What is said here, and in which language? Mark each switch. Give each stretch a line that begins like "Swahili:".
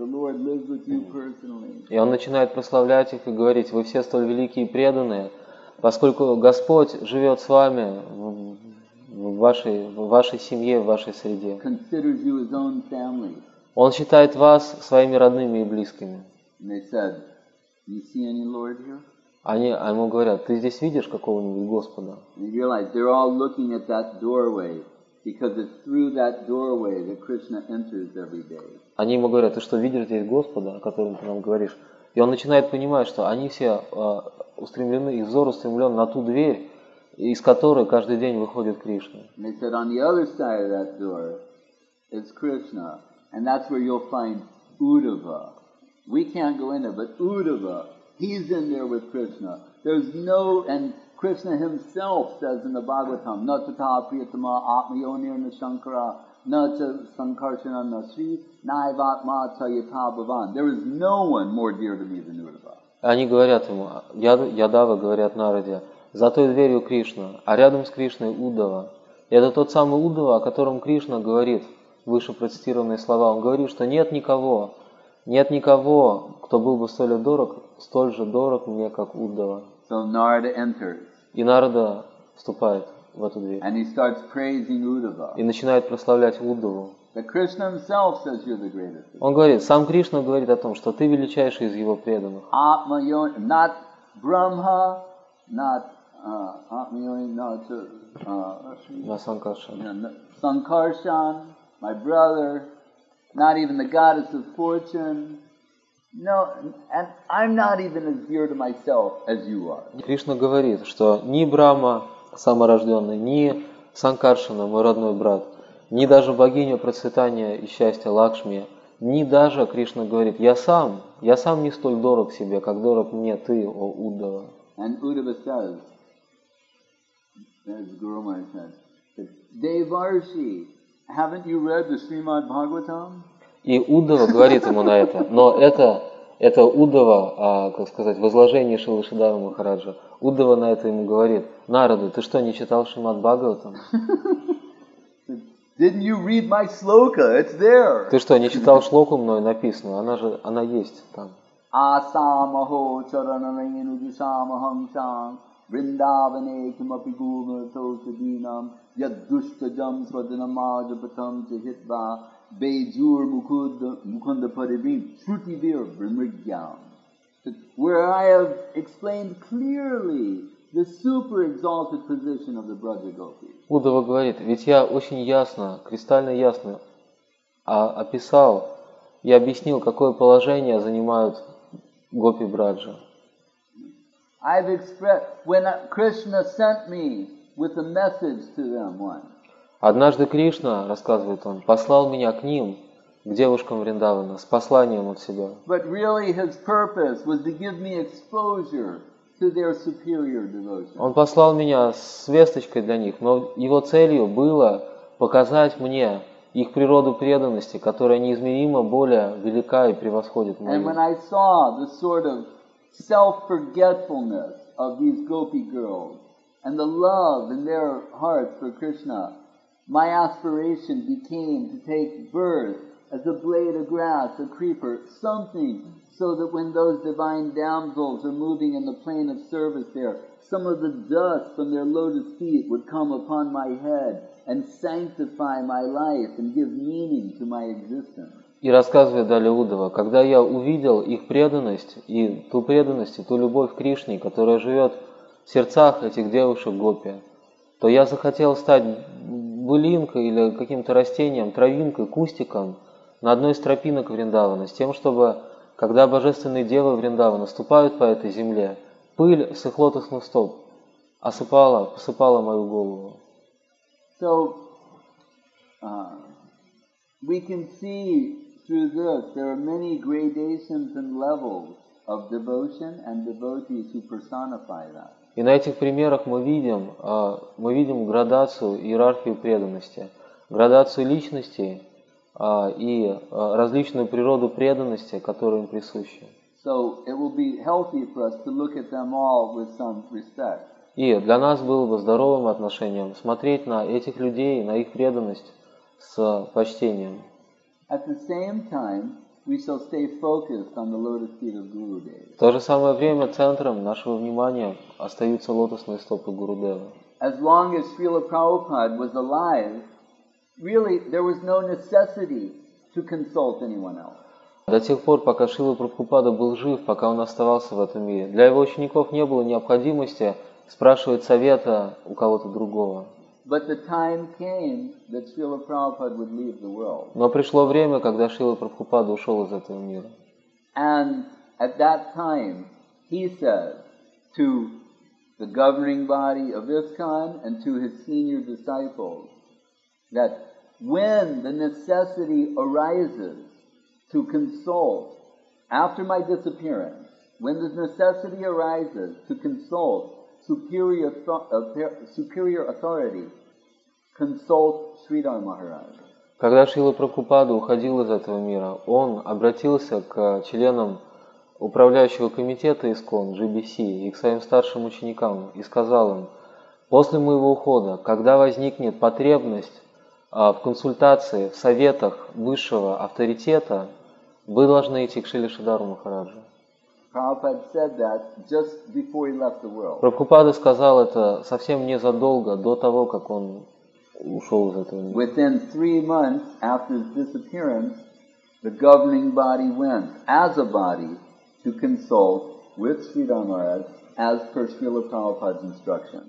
English: The Lord lives with you personally.
Russian: И он начинает прославлять их и говорить: вы все столь великие и преданные, поскольку Господь живет с вами в вашей семье, в вашей среде.
English: Considers you his own family.
Russian: Он считает вас своими родными и близкими.
English: And they said, you see any Lord here?
Russian: Они ему говорят: ты здесь видишь какого-нибудь Господа?
English: And he realized they're all looking at that doorway. Because it's through that doorway that Krishna enters every day.
Russian: Они ему говорят, ты что видишь здесь Господа, о котором ты нам говоришь? И он начинает понимать, что они все устремлены, их взор устремлен на ту дверь, из которой каждый день выходит Кришна.
English: And he said, on the other side of that door is Krishna, and that's where you'll find Uddhava. We can't go in there, but Uddhava, he's in there with Krishna. There's no and Krishna himself says in the Bhagavatam,
Sanskrit: na tata priyatama atmayonir na shankara, na cha sankarsana na sri, naivatma cha yata bhavan.
English: There is no one more dear to me than Uddhava.
Russian: Они говорят ему, Ядава говорят Нараде, за той дверью Кришна, а рядом с Кришной Уддава. Это тот самый Уддава, о котором Кришна говорит, выше процитированные слова. Он говорит, что нет никого, кто был бы столь же дорог мне, как Уддава.
English: So Narada enters.
Russian: И Нарада вступает в эту дверь.
English: And he starts praising Uddhava.
Russian: И начинает прославлять Уддаву.
English: That Krishna himself says you're the greatest.
Russian: Он говорит, сам Кришна говорит о том, что ты величайший из его преданных.
English: Atma yon, not Brahma, not Atma yon, not
Sanskrit: На Санкаршан.
English: Sankarsan, my brother, not even the goddess of fortune. No, and I'm not even as dear to myself as you are.
Russian: Кришна говорит, что ни Брама, саморожденный, ни Санкаршана, мой родной брат, ни даже богиня процветания и счастья Лакшми, ни даже Кришна говорит, я сам не столь дорог себе, как дорог мне ты, о Уддава.
English: And Uddhava says, as Guru Maharaj says, Devarshi, haven't you read the Srimad Bhagavatam?
Russian: И Уддава говорит ему на это, но это Уддава, как сказать, возложение Шрилы Шридхара Махараджа. Уддава на это ему говорит, Нарада, ты что, не читал Шримад Бхагаватам?
English: Didn't you read my shloka? It's there.
Russian: Ты что, не читал шлоку мной написанную? Она есть там.
Sanskrit: Асамахо чаранарену дюшамахам шам Вриндаване кимапи гумар тосадинам Яд душчаджам сваджанамаджа патам чахитва Bejur Mukunda Padibin Shruti Vir Brimrigyam.
English: where I have explained clearly the super exalted position of the Braja Gopis.
Russian: Uddhava говорит, ведь я очень ясно, кристально ясно описал и объяснил, какое положение занимают гопи Браджа.
English: I've expressed when Krishna sent me with a message to them once.
Russian: Однажды Кришна, рассказывает он, послал меня к ним, к девушкам Вриндавана, с посланием от себя.
English: But really his purpose was to give me exposure to their superior devotion.
Russian: Он послал меня с весточкой для них, но его целью было показать мне их природу преданности, которая неизмеримо более велика и превосходит мою.
English: And when I saw the sort of self-forgetfulness of these gopi girls and the love in their hearts for Krishna, my aspiration became to take birth as a blade of grass, a creeper, something, so that when those divine damsels are moving in the plane of service there, some of the dust from their lotus feet would come upon my head and sanctify my life and give meaning to my existence.
Russian: И рассказывая далее Удава, когда я увидел их преданность и ту преданность, и ту любовь к Кришне, которая живет в сердцах этих девушек гопи, то я захотел стать былинкой или каким-то растением, травинкой, кустиком на одной из тропинок Вриндавана, с тем, чтобы, когда божественные девы Вриндавана ступают по этой земле, пыль с их лотосных стоп осыпала, посыпала мою голову.
English: So, we can see through this, there are many gradations and levels of devotion and devotees who personify that.
Russian: И на этих примерах мы видим градацию иерархии преданности, градацию личности и различную природу преданности, которая им присуща.
English: So it will be healthy for us to look at them all with some respect.
Russian: И для нас было бы здоровым отношением смотреть на этих людей, на их преданность с почтением.
English: At the same time, we shall stay focused on the lotus feet of Gurudev.
Russian: В то же самое время центром нашего внимания остаются лотосные стопы Гурудева.
English: As long as Srila Prabhupada was alive, really there was no necessity to consult anyone else.
Russian: До тех пор, пока Шрила Прабхупада был жив, пока он оставался в этом мире, для его учеников не было необходимости спрашивать совета у кого-то другого.
English: But the time came that Srila Prabhupada would leave the world.
Russian: Но пришло время, когда Шрила Прабхупада ушел из этого мира.
English: And at that time, he said to the governing body of ISKCON and to his senior disciples that when the necessity arises to consult after my disappearance, when the necessity arises to consult superior authority, consult Sridhar Maharaj.
Russian: Когда Шрила Прабхупада уходил из этого мира, он обратился к членам управляющего комитета ИСКОН, GBC, и к своим старшим ученикам, и сказал им, после моего ухода, когда возникнет потребность в консультации, в советах высшего авторитета, вы должны идти к Шриле Шридхару Махараджу.
English: Prabhupada said that just before he left the world.
Russian: Прабхупада сказал это совсем незадолго до того, как он ушел из этого мира.
English: Within 3 months after his disappearance, the governing body went as a body to consult with Sridhar Maharaj as per Srila Prabhupada's instruction.